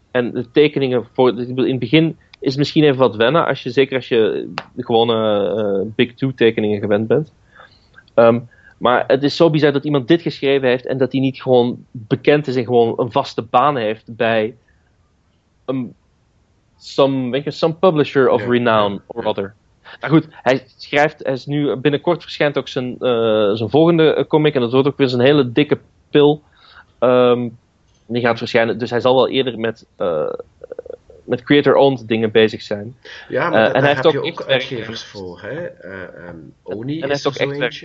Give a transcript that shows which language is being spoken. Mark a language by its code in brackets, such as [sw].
[nl] En de tekeningen voor. In het begin is het misschien even wat wennen. Zeker als je de gewone Big Two tekeningen gewend bent. Maar het is zo bizar dat iemand dit geschreven heeft. En dat hij niet gewoon bekend is. En gewoon een vaste baan heeft bij. [en] Some publisher of renown or other. [nl] Nou goed, hij schrijft. Hij is nu, binnenkort verschijnt ook zijn volgende comic. En dat wordt ook weer zijn hele dikke pil. Die gaat verschijnen, dus hij zal wel eerder met creator-owned dingen bezig zijn. Ja, maar daar heeft heb ook je ook uitgevers werk voor, hè? Oni en is er ook zo echt eentje.